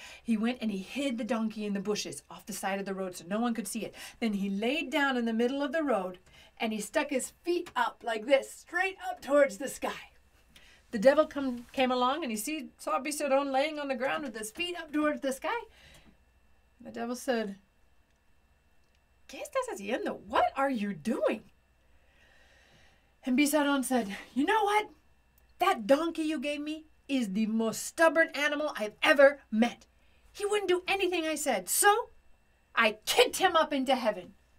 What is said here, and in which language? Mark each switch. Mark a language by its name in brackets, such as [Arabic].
[English] He went and he hid the donkey in the bushes off the side of the road so no one could see it. Then he laid down in the middle of the road and he stuck his feet up like this, straight up towards the sky. The devil came along and he saw Bizarron laying on the ground with his feet up towards the sky. The devil said, [Spanish] ¿Qué estás haciendo? [English] What are you doing? And Bizarron said, you know what? That donkey you gave me is the most stubborn animal I've ever met. He wouldn't do anything I said, so I kicked him up into heaven.